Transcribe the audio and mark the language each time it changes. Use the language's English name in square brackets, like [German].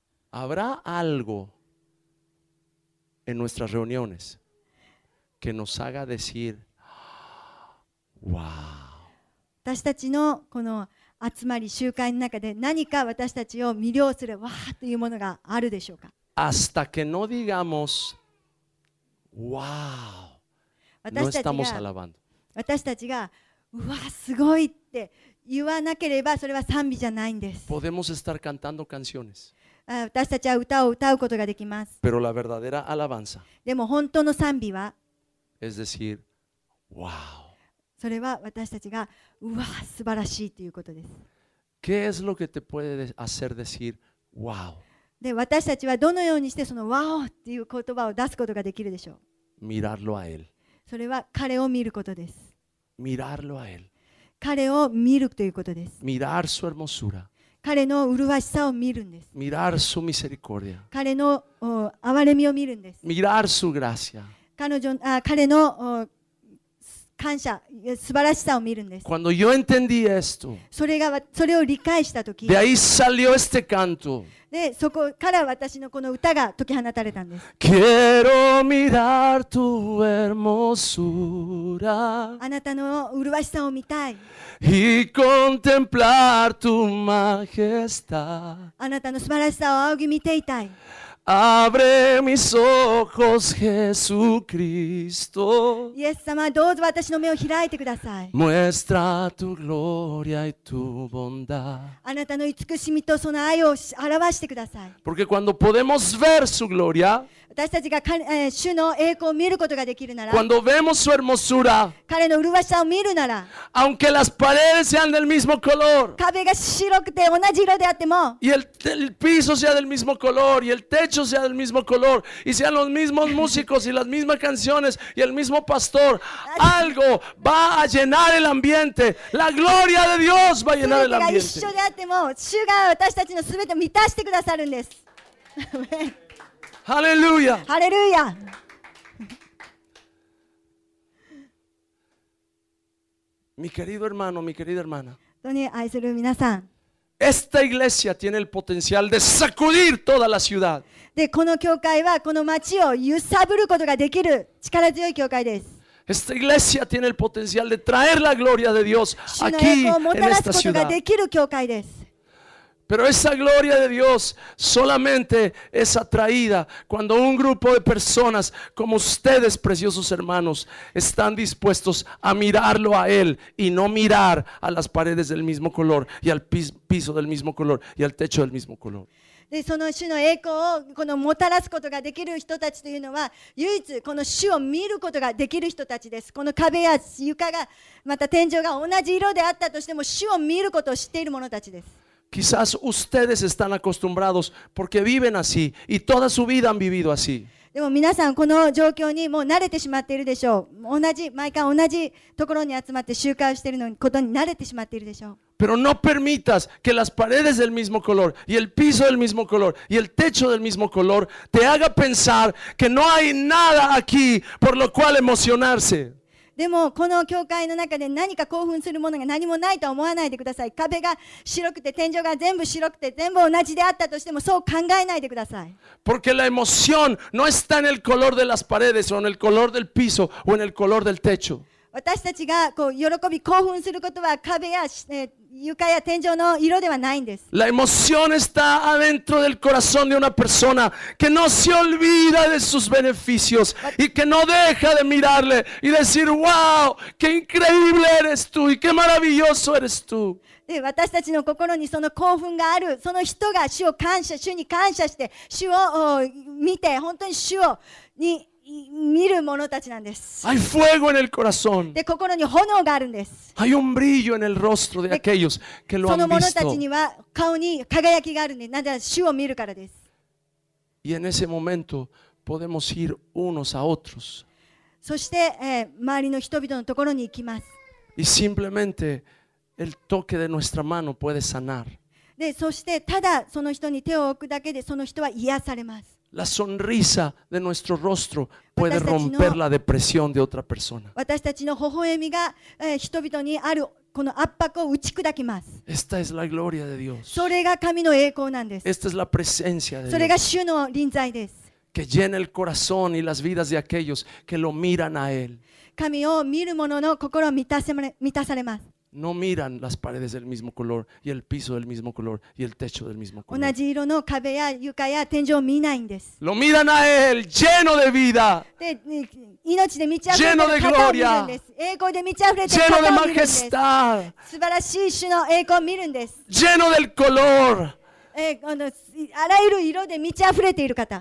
[Spanish] Habrá algo en nuestras reuniones que nos haga decir, wow. [Japanese] 私たちのこの集まり集会の中で何か私たちを魅了するわーというものがあるでしょうか。 [Spanish] Hasta que no digamos, wow, no estamos alabando. [Japanese] 私たちがうわすごいって言わなければそれは賛美じゃないんです。 [Spanish] Podemos estar cantando canciones. [Japanese] 私たちは歌を歌うことができます。 [Spanish] Pero la verdadera alabanza. [Japanese] でも本当の賛美は [Spanish] Es decir, wow. [Japanese] それは私たちがうわ素晴らしいということです。 [Spanish] ¿Qué es lo que te puede hacer decir wow? [Japanese] で私たちはどのようにしてそのわおっていう言葉を出すことができるでしょう。 [Spanish] Mirarlo a él. [Japanese] それは彼を見ることです。 [Spanish] Mirarlo a él. [Japanese] 彼を見るということです。 [Spanish] Mirar su hermosura. [Japanese] 彼の麗しさを見るんです。 [Spanish] Mirar su misericordia. [Japanese] 彼の憐れみを見るんです。 [Spanish] Mirar su gracia. [Japanese] 彼の感謝、素晴らしさを見るんです。 [Spanish] Cuando yo entendí esto, [Japanese] それを理解したとき、 [Spanish] de ahí salió este canto. [Japanese] で、そこから私のこの歌が解き放たれたんです。 [Spanish] Quiero mirar tu hermosura. [Japanese] あなたの麗しさを見たい。 [Spanish] Y contemplar tu majestad. [Japanese] あなたの素晴らしさを仰ぎ見ていたい。 [Spanish] Abre mis ojos, Jesucristo. [Japanese] イエス様、どうぞ私の目を開いてください。 [Spanish] Muestra tu gloria y tu bondad. [Japanese] あなたの慈しみとその愛を表してください。 [Spanish] Porque cuando podemos ver su gloria, [Japanese] 私たちが主の栄光を見ることができるなら、 [Spanish] cuando vemos su hermosura, [Japanese] 彼の麗しさを見るなら、 [Spanish] aunque las paredes sean del mismo color, [Japanese] 壁が白くて同じ色であっても、 [Spanish] y el piso sea del mismo color, y el techo sea del mismo color, y sean los mismos músicos, y las mismas canciones, y el mismo pastor, algo va a llenar el ambiente. La gloria de Dios va a llenar el ambiente. [Japanese] 全てが一緒であっても、主が私たちの全てを満たしてくださるんです。 [Spanish] Hallelujah. Hallelujah. Mi querido hermano, mi querida hermana. [Japanese] Doni, 愛する皆さん。 [Spanish] Esta iglesia tiene el potencial de sacudir toda la ciudad. [Japanese] で、この教会はこの町を揺さぶることができる力強い教会です。 [Spanish] Esta iglesia tiene el potencial de traer la gloria de Dios aquí en esta ciudad. [Japanese] 主の栄光をもたらすことができる教会です。 [Spanish] Pero esa gloria de Dios solamente es atraída cuando un grupo de personas como ustedes, preciosos hermanos, están dispuestos a mirarlo a Él y no mirar a las paredes del mismo color y al piso del mismo color y al techo del mismo color. [Japanese] De その主の栄光をこのもたらすことができる人たちというのは唯一この主を見ることができる人たちです。この壁や床がまた天井が同じ色であったとしても主を見ることを知っている者たちです。 [Spanish] Quizás ustedes están acostumbrados porque viven así y toda su vida han vivido así. [Japanese] でも皆さんこの状況にもう慣れてしまっているでしょう。同じ毎回同じところに集まって集会しているのにことに慣れてしまっているでしょう。 [Spanish] Pero no permitas que las paredes del mismo color y el piso del mismo color y el techo del mismo color te haga pensar que no hay nada aquí por lo cual emocionarse. [Japanese] でもこの教会の中で何か興奮するものが何もないと思わないでください。壁が白くて天井が全部白くて全部同じであったとしてもそう考えないでください。 [Spanish] Porque la emoción no está en el color de las paredes o en el color del piso o en el color del techo. [Japanese] 私たちがこう喜び興奮することは壁や床や天井の色ではないんです。 [Spanish] La emoción está adentro del corazón de una persona que no se olvida de sus beneficios y que no deja de mirarle y decir, wow, qué increíble eres tú y qué maravilloso eres tú. [Japanese] で私たちの心にその興奮があるその人が主を感謝、主に感謝して主を見て本当に主をに見る者たちなんです。 [Spanish] Hay fuego en el corazón. [Japanese] で心に炎があるんです。 [Spanish] Hay un brillo en el rostro de aquellos que lo han visto. [Japanese] その者たちには顔に輝きがあるんで、なぜ主を見るからです。 [Spanish] Y en ese momento podemos ir unos a otros. [Japanese] そして、周りの人々のところに行きます。 [Spanish] Y simplemente el toque de nuestra mano puede sanar. [Japanese] でそしてただその人に手を置くだけでその人は癒されます。 [Spanish] La sonrisa de nuestro rostro puede romper la depresión de otra persona. [Japanese] 私たちの微笑みが人々にあるこの圧迫を打ち砕きます。 [Spanish] Esta es la gloria de Dios. [Japanese] それが神の栄光なんです。 [Spanish] Esta es la presencia de Dios. [Japanese] それが主の臨在です。 [Spanish] Que llena el corazón y las vidas de aquellos que lo miran a Él. [Japanese] 神を見る者の心を満たされます。 [Spanish] No miran las paredes del mismo color y el piso del mismo color y el techo del mismo color. [Japanese] 同じ色の壁や床や天井を見ないんです。 [Spanish] Lo miran a él lleno de vida. [Japanese] で、命で満ち溢れている方を見るんです。栄光で満ち溢れている方を見るんです。素晴らしい主の栄光を見るんです。 [Spanish] Lleno del color. [Japanese] あらゆる色で満ち溢れている方。